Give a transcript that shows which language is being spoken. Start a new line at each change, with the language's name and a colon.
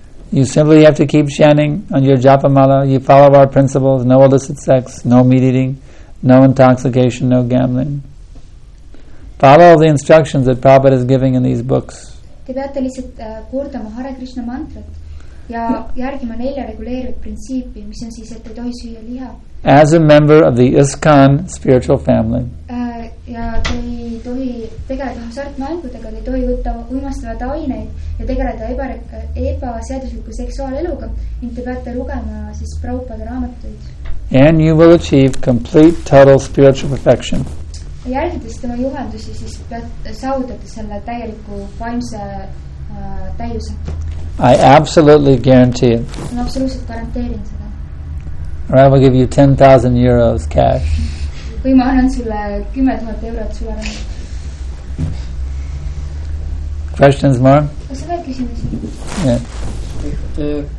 English: You simply have to keep chanting on your japa mala. You follow our principles, no illicit sex, no meat eating, no intoxication, no gambling. Follow the instructions that Prabhupada is giving in these books.
Estonian: Te peate lihtsalt kordama Hare Krishna mantrat ja järgima nelja reguleeritud printsiipi, mis on siis, et ei tohi süüa liha.
English: As a member of the ISKCON spiritual family.
Estonian: Ja te ei tohi tegeleda hasartmängudega, te ei tohi võtta uimastavad aineid ja tegeleda ebaseadusliku seksuaaleluga, ning te peate lugema siis Prabhupada raamatuid.
English: And you will achieve complete total spiritual perfection.
Estonian: Ja järgides tema juhendusi, siis saavutate selle täieliku vaimse täiuse.
English: I absolutely guarantee it.
Estonian: Ma absoluutselt garanteerin seda.
English: Or I will give you 10,000 euros cash.
Estonian: Kui ma annan sulle 10,000 eurot sulle raha.
English: Questions more?
Estonian: Kas sa võid küsimusi?